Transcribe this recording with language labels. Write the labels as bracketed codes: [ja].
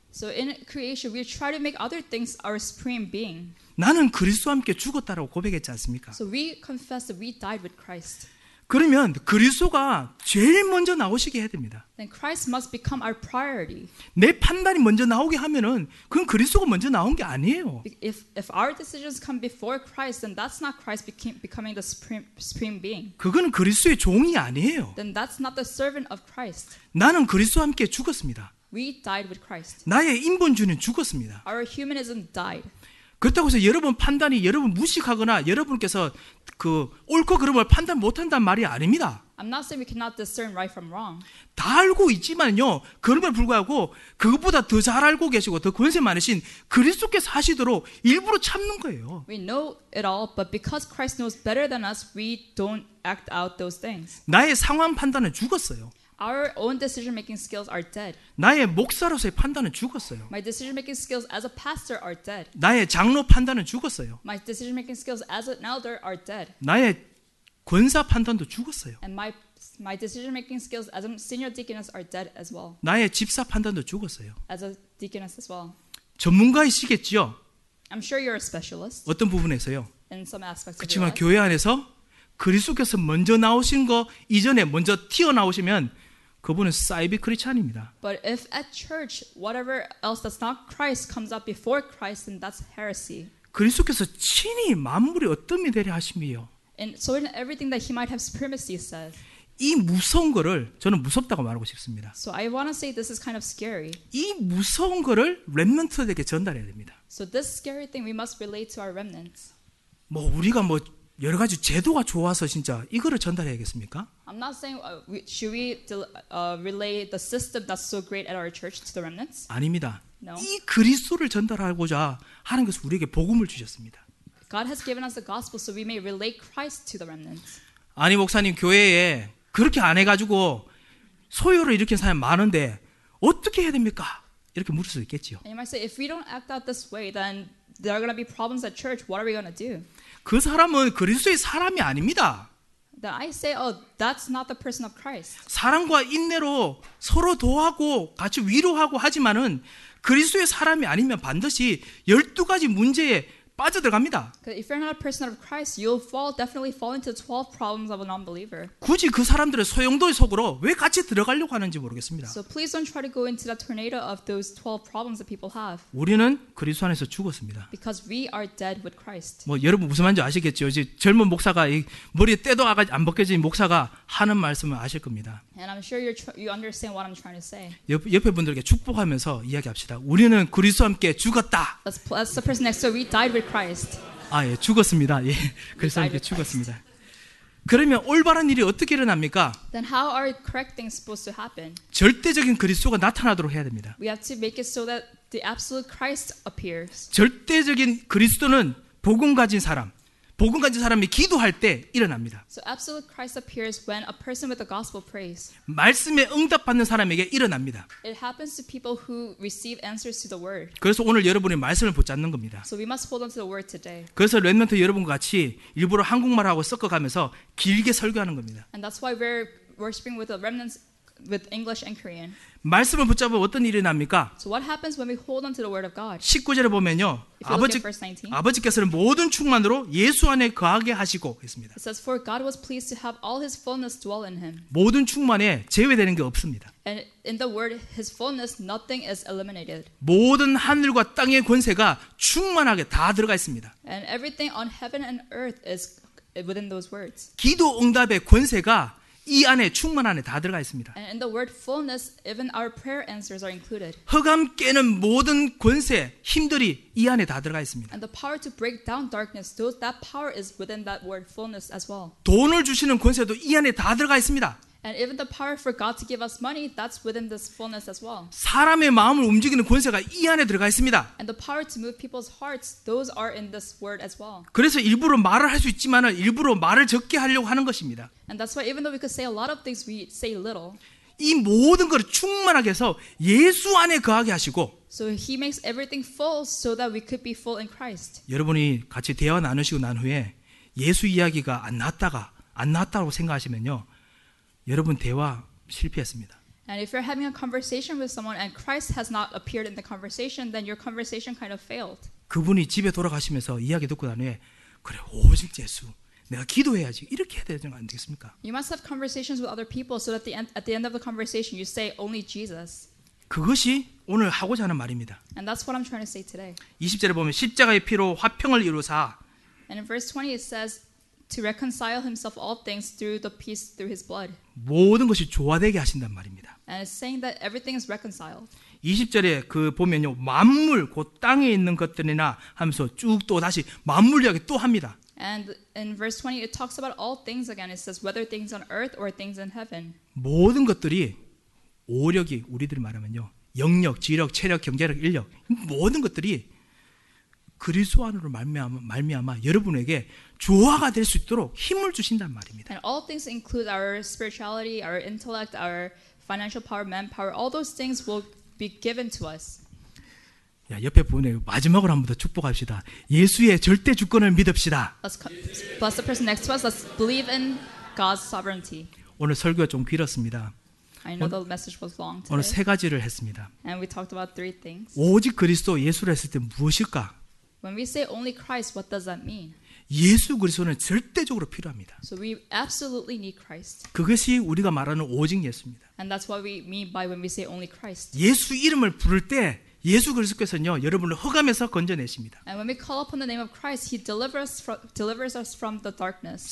[en] So in creation we try to make other things our supreme being. [ko] 나는 그리스도와 함께 죽었다라고 고백했지 않습니까? [en] So we confess that we died with Christ. [ko] 그러면 그리스도가 제일 먼저 나오시게 해야 됩니다. [en] Then Christ must become our priority. [ko] 내 판단이 먼저 나오게 하면은 그건 그리스도가 먼저 나온 게 아니에요. [en] If our decisions come before Christ, then that's not Christ becoming the supreme being. [ko] 그거는 그리스도의 종이 아니에요. [en] Then that's not the servant of Christ. [ko] 나는 그리스도와 함께 죽었습니다. [en] We died with Christ. [ko] 나의 인본주의는 죽었습니다. [en] Our humanism died. [ko] 그렇다고 해서 여러분 판단이 여러분 무식하거나 여러분께서 그 옳고 그름을 판단 못한다는 말이 아닙니다. [en] I'm not saying we cannot discern right from wrong. [ko] 다 알고 있지만요. 그럼에도 불구하고 그것보다 더 잘 알고 계시고 더 권세 많으신 그리스도께서 하시도록 일부러 참는 거예요. [en] We know it all, but because Christ knows better than us, we don't act out those things. [ko] 나의 상황 판단은 죽었어요. [en] Our own decision-making skills are dead. [ko] 나의 목사로서의 판단은 죽었어요. [en] My decision-making skills as a pastor are dead. [ko] 나의 장로 판단은 죽었어요. [en] My decision-making skills as an elder are dead. [ko] 나의 권사 판단도 죽었어요. [en] And my decision-making skills as a senior deaconess are dead as well. [ko] 나의 집사 판단도 죽었어요. [en] As a deaconess as well. [ko] 전문가이시겠지요? [en] I'm sure you're a specialist. [ko] 어떤 부분에서요? [en] In some aspects. [ko] 그렇지만 교회 안에서. 그리스도께서 먼저 나오신 거 이전에 먼저 튀어 나오시면 그분은 사이비 크리스찬입니다. [en] But if at church whatever else that's not Christ comes up before Christ, then that's heresy. [ko] 그리스도께서 친히 만물이 어떠미 되려 하심이요. [en] And so in everything that He might have supremacy says. [ko] 이 무서운 거를 저는 무섭다고 말하고 싶습니다. [en] So I want to say this is kind of scary. [ko] 이 무서운 거를 렘넌트들에게 전달해야 됩니다. [en] So this scary thing we must relate to our remnants. [ko] 뭐 우리가 뭐 여러 가지 제도가 좋아서 진짜 이거를 전달해야겠습니까? [en] I'm not saying should we relay the system that's so great at our church to the remnants? [ko] 아닙니다. [en] No. [ko] 이 그리스도를 전달하고자 하는 것은 우리에게 복음을 주셨습니다. [en] God has given us the gospel so we may relay Christ to the remnants. [ko] 아니 목사님 교회에 그렇게 안 해가지고 소요를 일으킨 사람 많은데 어떻게 해야 됩니까? 이렇게 물을 수 있겠지요. [en] And you might say if we don't act out this way, then there are going to be problems at church. What are we going to do? [ko] 그 사람은 그리스도의 사람이 아닙니다. [en] That I say, oh, that's not the person of Christ. [ko] 사랑과 인내로 서로 도와하고 같이 위로하고 하지만은 그리스도의 사람이 아니면 반드시 12가지 문제에 빠져들어갑니다. [en] If you're not a person of Christ, you'll definitely fall into 12 problems of an unbeliever. [ko] 굳이 그 사람들의 소용돌이 속으로 왜 같이 들어가려고 하는지 모르겠습니다. [en] So please don't try to go into the tornado of those 12 problems that people have. [ko] 우리는 그리스도 안에서 죽었습니다. [en] Because we are dead with Christ. [ko] 뭐 여러분 무슨 말인지 아시겠죠? 이제 젊은 목사가 이 머리에 때도 안 벗겨진 목사가 하는 말씀을 아실 겁니다. [en] And I'm sure you understand what I'm trying to say. [ko] 옆에 분들에게 축복하면서 이야기합시다. 우리는 그리스도와 함께 죽었다. [en] That's the person next to we died with Christ. [ko] 아, 예, 죽었습니다. 예, 그리스도와 함께 죽었습니다. 그러면 올바른 일이 어떻게 일어납니까? [en] Then how are correct things supposed to happen? [ko] 절대적인 그리스도가 나타나도록 해야 됩니다. [en] We have to make it so that the absolute Christ appears. [ko] 절대적인 그리스도는 복음 가진 사람, 복음 가진 사람이 기도할 때 일어납니다. [en] So absolute Christ appears when a person with the gospel prays. [ko] 말씀에 응답받는 사람에게 일어납니다. [en] It happens to people who receive answers to the word. [ko] 그래서 오늘 여러분이 말씀을 붙잡는 겁니다. [en] So we must hold on to the word today. [ko] 그래서 렘넌트 여러분과 같이 일부러 한국말하고 섞어가면서 길게 설교하는 겁니다. [en] And that's why we're worshiping with the remnants with English and Korean. [ko] 말씀을 붙잡으면 어떤 일이 납니까? [en] So what happens when we hold on to the word of God? [ko] 19절을 보면요. 아버지께서는 모든 충만으로 예수 안에 거하게 하시고 했습니다. [en] It says for God was pleased to have all his fullness dwell in him. [ko] 모든 충만에 제외되는 게 없습니다. [en] And in the word his fullness nothing is eliminated. [ko] 모든 하늘과 땅의 권세가 충만하게 다 들어가 있습니다. [en] And everything on heaven and earth is within those words. [ko] 기도 응답의 권세가 이 안에 충만 안에 다 들어가 있습니다. [en] And in the word fullness, even our prayer answers are included. [ko] 흑암 깨는 모든 권세, 힘들이 이 안에 다 들어가 있습니다. [en] And the power to break down darkness, that power is within that word fullness as well. [ko] 돈을 주시는 권세도 이 안에 다 들어가 있습니다. [en] And even the power for God to give us money, that's within this fullness as well. [ko] 사람의 마음을 움직이는 권세가 이 안에 들어가 있습니다. [en] And the power to move people's hearts, those are in this word as well. [ko] 그래서 일부러 말을 할 수 있지만 일부러 말을 적게 하려고 하는 것입니다. [en] And that's why even though we could say a lot of things, we say little. [ko] 이 모든 것을 충만하게 해서 예수 안에 거하게 하시고 [en] So he makes everything full so that we could be full in Christ. [ko] 여러분이 같이 대화 나누시고 난 후에 예수 이야기가 안 났다고 생각하시면요. 여러분 대화 실패했습니다. [en] And if you're having a conversation with someone and Christ has not appeared in the conversation, then your conversation kind of failed. [ko] 그분이 집에 돌아가시면서 이야기 듣고 나니 그래 오직 예수 내가 기도해야지 이렇게 해야 되는 거 아니겠습니까? [en] You must have conversations with other people so that at the end of the conversation you say only Jesus. [ko] 그것이 오늘 하고자 하는 말입니다. [en] And that's what I'm trying to say today. [ko] 20절에 보면 십자가의 피로 화평을 이루사. [en] And in verse 20 it says. To reconcile himself all things through the peace through his blood. [ko] 모든 것이 조화되게 하신단 말입니다. [en] And it's saying that everything is reconciled. [ko] 20절에 그 보면요 만물 곧 땅에 있는 것들이나 하면서 쭉 또 다시 만물 이야기 또 합니다. [en] And in verse 20, it talks about all things again. It says whether things on earth or things in heaven. [ko] 모든 것들이 오력이 우리들 말하면요 영력, 지력, 체력, 경제력, 인력 모든 것들이 그리스도 안으로 말미암아 여러분에게 조화가 될 수 있도록 힘을 주신단 말입니다. [en] And all things include our spirituality, our intellect, our financial power, manpower. All those things will be given to us. [ko] 야, 옆에 분에 마지막으로 한 번 더 축복합시다. 예수의 절대 주권을 믿읍시다. [en] Let's bless the person next to us. Let's believe in God's sovereignty. [ko] 오늘 설교가 좀 길었습니다. [en] I know the message was long today. [ko] 오늘 세 가지를 했습니다. [en] And we talked about three things. [ko] 오직 그리스도 예수를 했을 때 무엇일까? [en] When we say only Christ, what does that mean? [ko] 예수 그리스도는 절대적으로 필요합니다. [en] So we absolutely need Christ. [ko] 그것이 우리가 말하는 오직 예수입니다. [en] And that's what we mean by when we say only Christ. [ko] 예수 이름을 부를 때 예수 그리스도께서는요 여러분을 흑암에서 건져내십니다. [en] And when we call upon the name of Christ, He delivers us from the darkness.